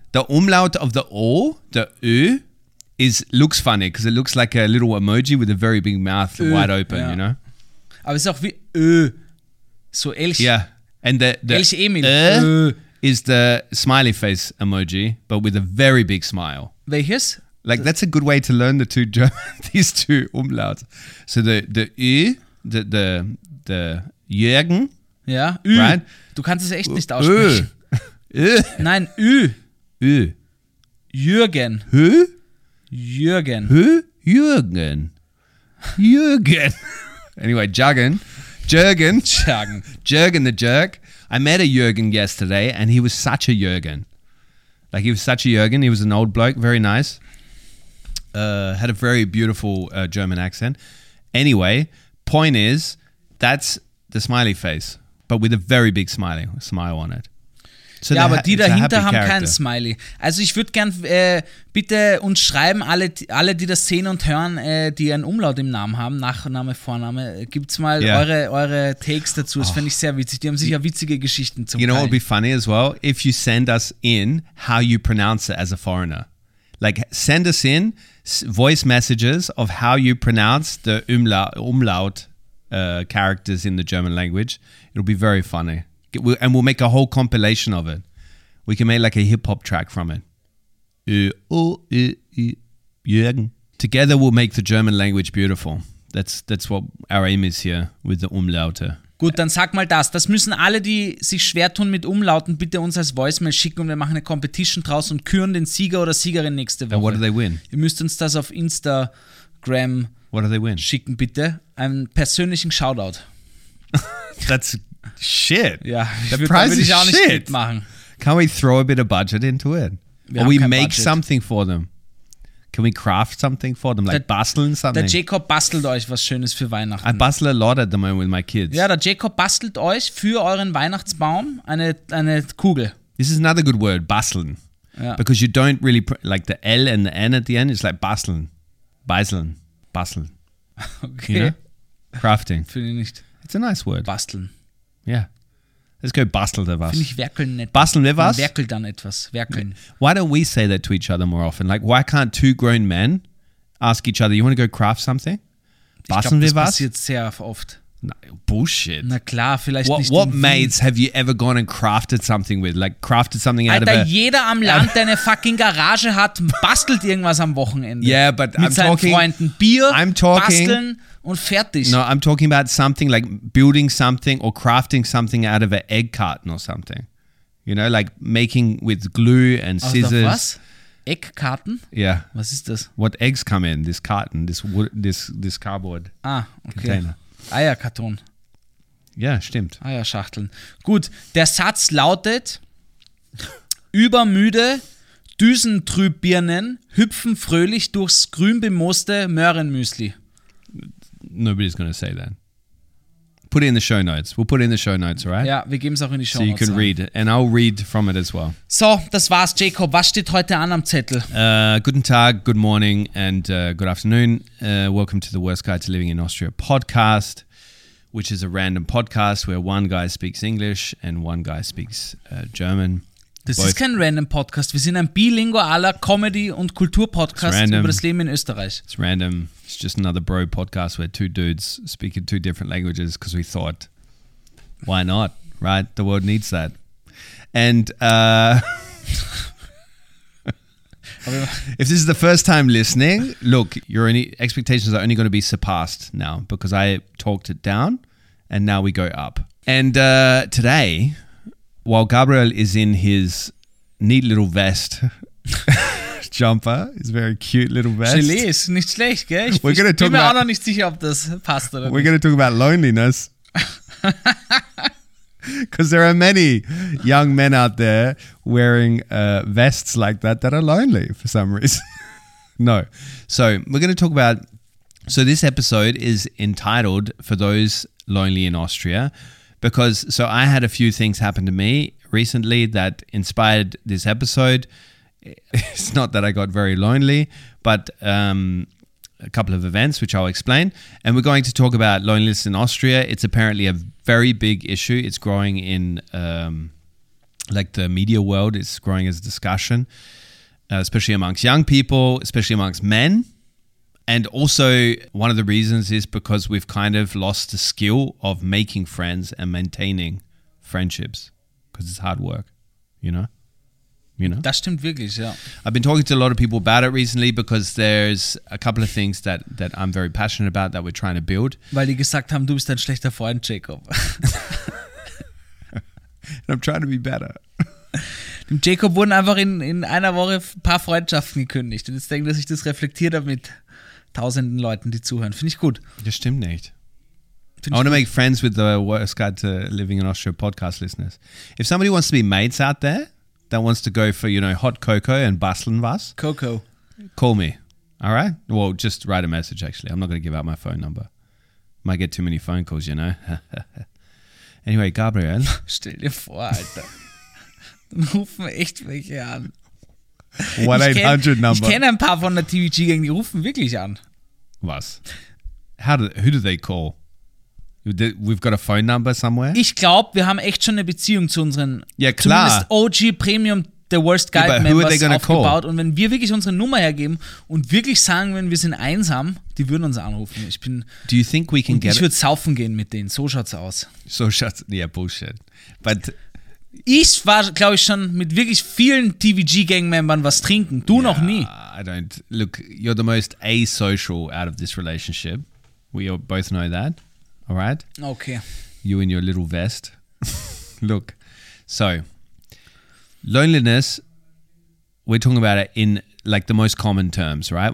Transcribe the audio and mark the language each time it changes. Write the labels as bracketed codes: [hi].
[en] The umlaut of the O, the Ö, looks funny because it looks like a little emoji with a very big mouth Ö, wide open, you know? [de] Aber es ist auch wie Ö, so Elch. [en] Yeah, and the [de] Elch Emil. [en] Ö is the smiley face emoji, but with a very big smile. [de] Welches? [en] Like, that's a good way to learn the two German, these two umlauts. So the Ö, the Jürgen. Yeah, Ö. Right? [de] Du kannst es echt nicht aussprechen. Ö. Nein, Ö. Ö. Jürgen. Hö? Jürgen. [en] Hö? Jürgen. Jürgen. Anyway, Jürgen. Jürgen. Jürgen. Jürgen the jerk. I met a Jürgen yesterday and he was such a Jürgen. Like he was such a Jürgen. He was an old bloke. Very nice. Had a very beautiful German accent. Anyway, point is, that's the smiley face, but with a very big smile on it. [de] So ja, aber die dahinter haben character. Keinen Smiley. Also ich würde gern, bitte uns schreiben, alle, die das sehen und hören, die einen Umlaut im Namen haben, Nachname, Vorname, gibt's mal eure Takes dazu, das fände ich sehr witzig. Die haben sicher witzige Geschichten zum Teil. [en] You know what would be funny as well? If you send us in how you pronounce it as a foreigner. Like, send us in voice messages of how you pronounce the Umlaut characters in the German language. It'll be very funny. And we'll make a whole compilation of it. We can make like a hip-hop track from it. Jürgen. Together we'll make the German language beautiful. That's what our aim is here with the Umlaute. [de] Gut, dann sag mal das. Das müssen alle, die sich schwer tun mit Umlauten, bitte uns als Voicemail schicken und wir machen eine Competition draus und küren den Sieger oder Siegerin nächste Woche. [en] And what do they win? [de] Ihr müsst uns das auf Instagram schicken, bitte. Einen persönlichen Shoutout. [en] That's shit. Ja, the prize is shit. Can we throw a bit of budget into it? Or we make something for them? Can we craft something for them? Like basteln something? [de] Der Jacob bastelt euch was Schönes für Weihnachten. [en] I bustle a lot at the moment with my kids. [de] Ja, der Jacob bastelt euch für euren Weihnachtsbaum eine Kugel. [en] This is another good word, basteln. [de] Ja. [en] Because you don't really, like the L and the N at the end, it's like basteln. [de] Beiseln. Basteln. [en] Okay. You know? Crafting. [de] Finde ich nicht. [en] It's a nice word. [de] Basteln. [en] Yeah. Let's go bustle was. [de] Finde ich werkeln nicht. Basteln wir was? Werkeln dann etwas. Werkeln. [en] Why don't we say that to each other more often? Like, why can't two grown men ask each other, you want to go craft something? [de] Basteln wir was? Das passiert sehr oft. Na, bullshit. Na klar, vielleicht [en] what, [de] nicht. [en] What mates have you ever gone and crafted something with? Like, crafted something [de] Alter, [en] out of a... [de] Alter, jeder am Land, der eine fucking Garage hat, bastelt irgendwas am Wochenende. [en] Yeah, but [de] mit [en] I'm talking... [de] Mit seinen Freunden Bier, [en] I'm talking, [de] basteln... Und fertig. [en] No, I'm talking about something like building something or crafting something out of an egg carton or something. You know, like making with glue and scissors. [de] Was? Egg carton? [en] Yeah. [de] Was ist das? [en] What eggs come in this carton, this cardboard container. [de] Eierkarton. Ja, stimmt. Eierschachteln. Gut, der Satz lautet, übermüde Düsentrübbirnen hüpfen fröhlich durchs grün bemooste Möhrenmüsli. [en] Nobody's going to say that. Put it in the show notes. We'll put it in the show notes, right? [de] Ja, wir geben es auch in die Show Notes. [en] So you can read. And I'll read from it as well. [de] So, das war's, Jacob. Was steht heute an am Zettel? Guten Tag, [en] good morning and good afternoon. Welcome to the Worst Guide to Living in Austria podcast, which is a random podcast where one guy speaks English and one guy speaks German. [de] Das ist kein random Podcast. Wir sind ein bilingualer Comedy- und Kultur-Podcast über das Leben in Österreich. [en] It's random. It's just another bro podcast where two dudes speak in two different languages because we thought, why not, right? The world needs that. And If this is the first time listening, look, your expectations are only going to be surpassed now because I talked it down and now we go up. And today, while Gabriel is in his neat little vest jumper, his very cute little vest. [de] Gelee ist nicht schlecht, gell? Ich [en] we're gonna talk [de] bin [en] about, [de] mir auch noch nicht sicher, ob das passt oder [en] we're [de] nicht. [en] We're going to talk about loneliness. Because there are many young men out there wearing vests like that that are lonely for some reason. No. So we're going to talk about, so this episode is entitled For Those Lonely in Austria. Because, so I had a few things happen to me recently that inspired this episode. It's not that I got very lonely, but a couple of events, which I'll explain. And we're going to talk about loneliness in Austria. It's apparently a very big issue. It's growing in like the media world. It's growing as a discussion, especially amongst young people, especially amongst men. And also one of the reasons is because we've kind of lost the skill of making friends and maintaining friendships because it's hard work, you know? You know? [de] Das stimmt wirklich, ja. [en] I've been talking to a lot of people about it recently because there's a couple of things that I'm very passionate about that we're trying to build. [de] Weil die gesagt haben, du bist ein schlechter Freund, Jacob. [en] And I'm trying to be better. [de] Dem Jacob wurden einfach in einer Woche ein paar Freundschaften gekündigt. Und jetzt denke ich, dass ich das reflektiert habe mit tausenden Leuten, die zuhören. Finde ich gut. Das stimmt nicht. [en] I want to make friends with the worst guide to living in Austria podcast listeners. If somebody wants to be mates out there, that wants to go for, you know, hot cocoa and [de] basteln was. [en] Coco. Call me. All right? Well, just write a message, actually. I'm not going to give out my phone number. Might get too many phone calls, you know. Anyway, Gabriel. [de] Stell dir vor, Alter. Dann rufen echt welche an. [en] 1-800 number. [de] Ich kenne ein paar von der TVG-Gang, die rufen wirklich an. [en] Was? Who do they call? We've got a phone number somewhere? [de] Ich glaube, wir haben echt schon eine Beziehung zu unseren, ja, klar, zumindest OG Premium The Worst Guide, yeah, Members aufgebaut. Call? Und wenn wir wirklich unsere Nummer hergeben und wirklich sagen, wenn wir sind einsam, die würden uns anrufen. Ich bin. [en] Do you think we can get? [de] Ich würde saufen gehen mit denen. So schaut's aus. So schaut's. [en] Yeah, bullshit. But [de] ich war, glaube ich, schon mit wirklich vielen TVG-Gang-Membern was trinken. Du, yeah, noch nie. [en] I don't. Look, you're the most asocial out of this relationship. We both know that. All right? Okay. You in your little vest. Look, so loneliness, we're talking about it in like the most common terms, right?